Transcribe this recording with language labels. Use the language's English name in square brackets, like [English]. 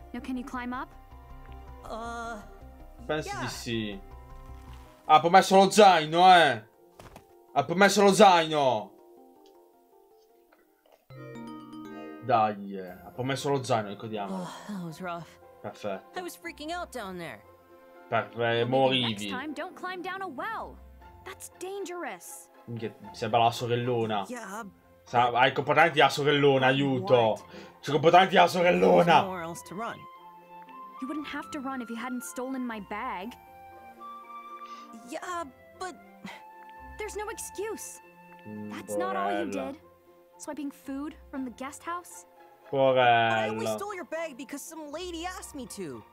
[English] Now can you climb up? [Italian] Penso di sì. Ha promesso lo zaino, Ha promesso lo zaino. Dai, ha promesso lo zaino, ricordiamo. [English] That was rough. [Italian] Perfetto. [English] I was freaking out down there. [Italian] Morivi. [English] Next time, don't climb down a well. That's dangerous. [Italian] Sembra la sorellona. [English] Yeah, [Italian] hai i comportamenti della sorellona, aiuto. C'è i comportamenti della sorellona. [English] You wouldn't have to run if you hadn't stolen my bag. Yeah, but there's no excuse. That's not all you did. Swiping food from the guest house. [Italian] Porella. [English] I only stole your bag because some lady asked me to.